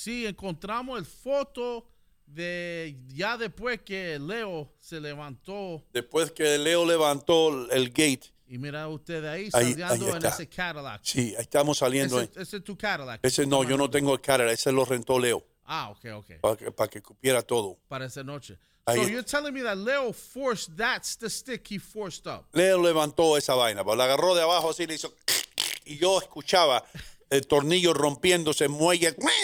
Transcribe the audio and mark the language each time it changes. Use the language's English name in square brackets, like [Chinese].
[Spanish] Sí, encontramos el foto de ya después que Leo se levantó. Después que Leo levantó el gate. Y mira usted ahí, saliendo en ese Cadillac. Sí, estamos saliendo. ¿Ese es tu Cadillac? Ese no, yo no tengo el Cadillac, ese lo rentó Leo. Ah, ok. Para que cupiera todo. Para esa noche. Ahí. [English] So you're telling me that Leo forced, that's the stick he forced up. [Spanish] Leo levantó esa vaina, pero la agarró de abajo así y le hizo. Y yo escuchaba el tornillo rompiéndose, muelle.